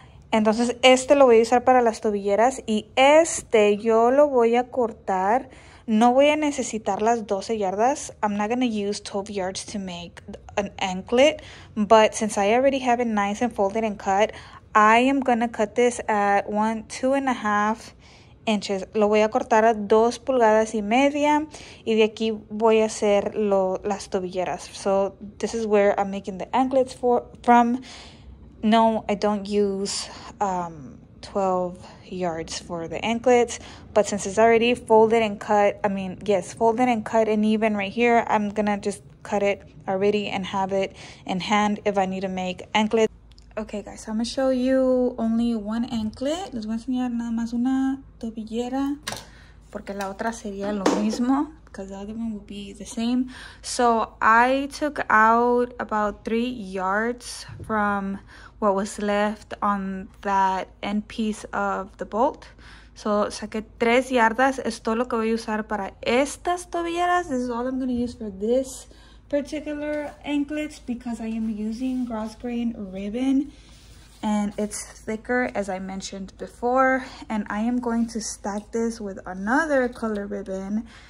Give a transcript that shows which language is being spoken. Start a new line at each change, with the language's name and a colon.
Spanish: Entonces, este lo voy a usar para las tobilleras y este yo lo voy a cortar. No voy a necesitar las 12 yardas.
English: I'm not going to use 12 yards to make an anklet. But since I already have it nice and folded and cut, I am going to cut this at 2.5 inches.
Spanish: Lo voy a cortar a 2 pulgadas y media. Y de aquí voy a hacer las tobilleras.
English: So this is where I'm making the anklets from. No, I don't use 12 yards for the anklets, but since it's already folded and cut, I mean, yes, folded and cut and even right here, I'm gonna just cut it already and have it in hand if I need to make anklets. Okay, guys, so I'm gonna show you only one anklet.
Spanish: Les voy a enseñar nada más una tobillera, porque la otra sería lo mismo,
English: because the other one would be the same. So I took out about 3 yards from what was left on that end piece of the bolt.
Spanish: So saqué 3 yardas. Es todo lo que voy a usar para estas tobilleras.
English: This is all I'm going to use for this particular anklets because I am using grosgrain ribbon and it's thicker, as I mentioned before. And I am going to stack this with another color ribbon.